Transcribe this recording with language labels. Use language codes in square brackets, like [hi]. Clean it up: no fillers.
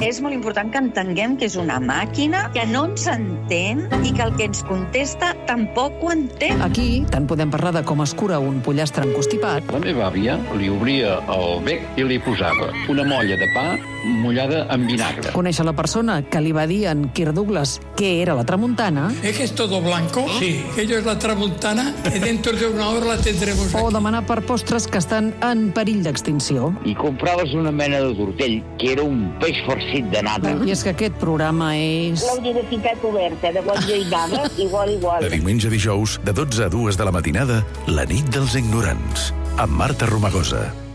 [ca] És molt important que entenguem que és una màquina que no ens entén i que el que ens contesta tampoc ho entén. Aquí tant podem parlar de com es cura un pollastre encostipat. La meva àvia li obria el bec i li posava una molla de pa mullada en vinagre. Conèixer la persona que li va dir en Kirk Douglas què era la tramuntana. [es] ¿Es que es todo blanco? Sí. Ello es la tramuntana y dentro de una hora la tendremos aquí. [ca] O demanar per postres que estan en perill d'extinció. I compraves una mena de tortell, que era un peix farcit de nata. I és que aquest programa és... L'hauria de ficar coberta, de qualsevol dama, igual, igual. De diumenge a dijous, de 12 a 2 de la matinada, la nit dels ignorants, amb Marta Romagosa.